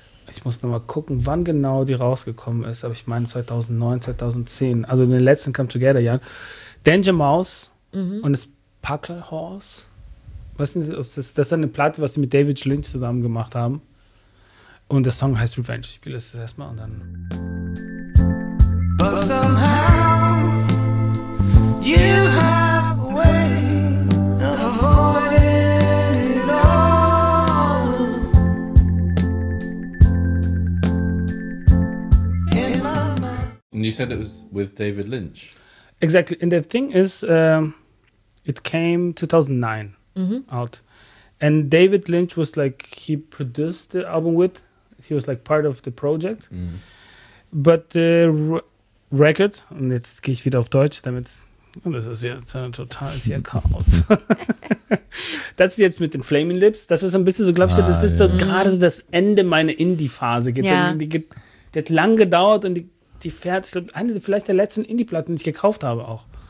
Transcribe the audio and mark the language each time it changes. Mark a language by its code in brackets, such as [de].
[de] Ich muss nochmal gucken, wann genau die rausgekommen ist. Aber ich meine 2009, 2010. Also in den letzten Come Together Jahren. Danger Mouse und das Puckle Horse. Was ist das? Das ist eine Platte, was sie mit David Lynch zusammen gemacht haben. Und der Song heißt Revenge. Ich spiele das erstmal und dann. [en] But somehow. You have a way of avoiding it all. In my mind. And you said it was with David Lynch. Exactly. And the thing is, it came 2009 out. And David Lynch was like, he produced the album with. He was like part of the project. Mm. But the record, and [de] jetzt gehe ich wieder auf Deutsch, damit Das ist ja ein totales Chaos. Das ist jetzt mit den Flaming Lips. Das ist ein bisschen so, glaubst du, das ist doch gerade so das Ende meiner Indie-Phase. Die hat lang gedauert und die fährt, ich glaube, eine vielleicht der letzten Indie-Platten, die ich gekauft habe auch.